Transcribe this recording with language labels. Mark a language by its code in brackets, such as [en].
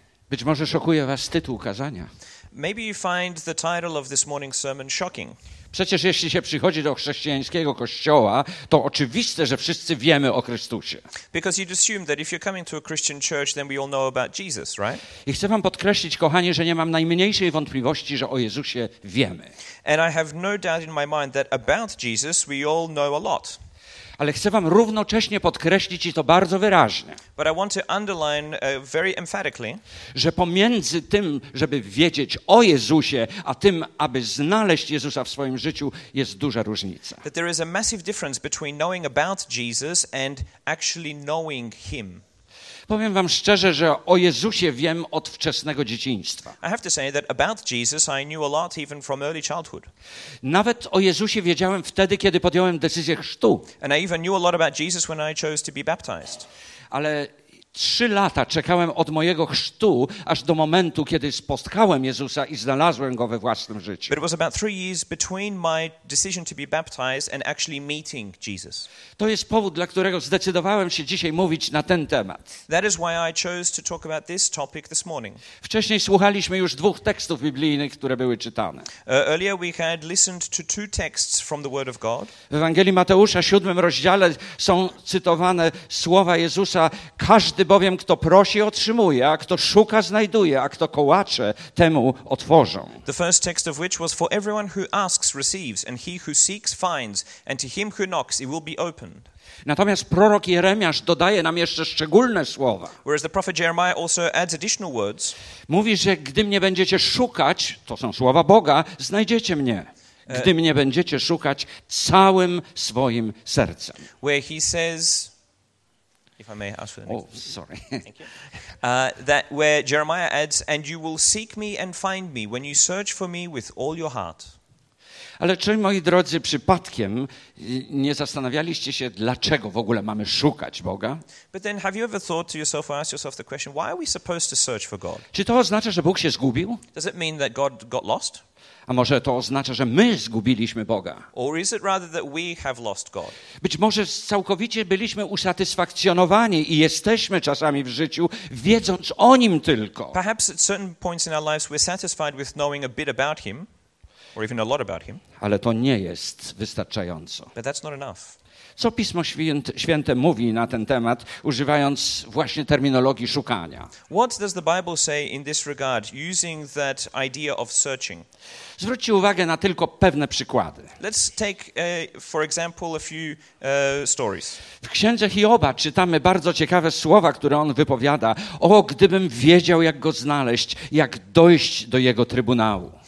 [pl] Być może szokuje was tytuł kazania. [en] Maybe you find the title of this morning's sermon shocking. [pl] Przecież jeśli się przychodzi do chrześcijańskiego kościoła, to oczywiste, że wszyscy wiemy o Chrystusie. [en] Because you'd assume that if you're coming to a Christian church, then we all know about Jesus, right? [pl] I chcę wam podkreślić, kochani, że nie mam najmniejszej wątpliwości, że o Jezusie wiemy. [en] And I have no doubt in my mind that about Jesus we all know a lot. [pl] Ale chcę wam równocześnie podkreślić, i to bardzo wyraźnie, [en] but I want to underline very emphatically, [pl] że pomiędzy tym, żeby wiedzieć o Jezusie, a tym, aby znaleźć Jezusa w swoim życiu, jest duża różnica. [en] That there is a massive difference between knowing about Jesus and actually knowing him. [pl] Powiem wam szczerze, że o Jezusie wiem od wczesnego dzieciństwa. [en] I have to say that about Jesus I knew a lot even from early childhood. [pl] Nawet o Jezusie wiedziałem wtedy, kiedy podjąłem decyzję chrztu. [en] And I even knew a lot about Jesus when I chose to be baptized. [pl] Ale 3 lata czekałem od mojego chrztu, aż do momentu, kiedy spotkałem Jezusa i znalazłem Go we własnym życiu. [en] It was about 3 years between my decision to be baptized and actually meeting Jesus. [pl] To jest powód, dla którego zdecydowałem się dzisiaj mówić na ten temat. [en] That is why I chose to talk about this topic this morning. [pl] Wcześniej słuchaliśmy już 2 tekstów biblijnych, które były czytane. [en] Earlier we had listened to 2 texts from the Word of God. [pl] W Ewangelii Mateusza, 7 rozdziale, są cytowane słowa Jezusa: każdy bowiem, kto prosi, otrzymuje, a kto szuka, znajduje, a kto kołacze, temu otworzą. [en] The first text of which was: for everyone who asks receives, and he who seeks finds, and to him who knocks it will be opened. [pl] Natomiast prorok Jeremiasz dodaje nam jeszcze szczególne słowa. [en] Whereas the prophet Jeremiah also adds additional words. [pl] Mówi, że gdy mnie będziecie szukać, to są słowa Boga, znajdziecie mnie. Gdy mnie będziecie szukać całym swoim sercem. [en] Where he says, if I may ask for the next. Oh, sorry. That where Jeremiah adds, and you will seek me and find me when you search for me with all your heart. [pl] Ale czy, moi drodzy, przypadkiem nie zastanawialiście się, dlaczego w ogóle mamy szukać Boga? [en] But then have you ever thought to yourself or asked yourself the question, why are we supposed to search for God? [pl] Czy to oznacza, że Bóg się zgubił? [en] Does it mean that God got lost? [pl] A może to oznacza, że my zgubiliśmy Boga? [en] Or is it rather that we have lost God? [pl] Być może całkowicie byliśmy usatysfakcjonowani i jesteśmy czasami w życiu, wiedząc o Nim tylko. [en] Perhaps at certain points in our lives we're satisfied with knowing a bit about Him, or even a lot about Him. [pl] Ale to nie jest wystarczająco. [en] But that's not enough. [pl] Co Pismo Święte mówi na ten temat, używając właśnie terminologii szukania? [en] What does the Bible say in this regard, using that idea of searching? [pl] Zwróćcie uwagę na tylko pewne przykłady. [en] Let's take, for example, a few stories. [pl] W Księdze Hioba czytamy bardzo ciekawe słowa, które on wypowiada. O, gdybym wiedział, jak go znaleźć, jak dojść do jego trybunału.